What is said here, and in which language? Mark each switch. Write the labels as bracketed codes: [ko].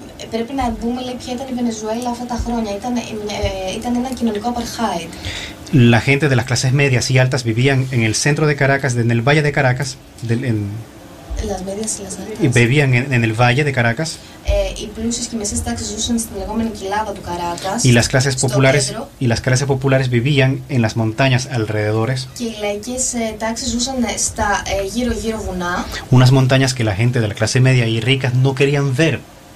[el] Πρέπει να δούμε λέει, ποια ήταν η Βενεζουέλα αυτά τα χρόνια. Ήταν ένα κοινωνικό apartheid. [es] La gente de las clases medias y altas vivían en el centro de Caracas, en el Valle de Caracas. Vivían en el Valle de Caracas. [el] Οι πλούσιες και οι μεσαίες τάξεις ζούσαν στην λεγόμενη κοιλάδα του Caracas. [es] Y las clases populares vivían en las montañas alrededores. [el] Και οι λαϊκές τάξεις ζούσαν στα γύρω-γύρω βουνά. [es] Unas montañas que la gente de la clase media y ricas no querían ver.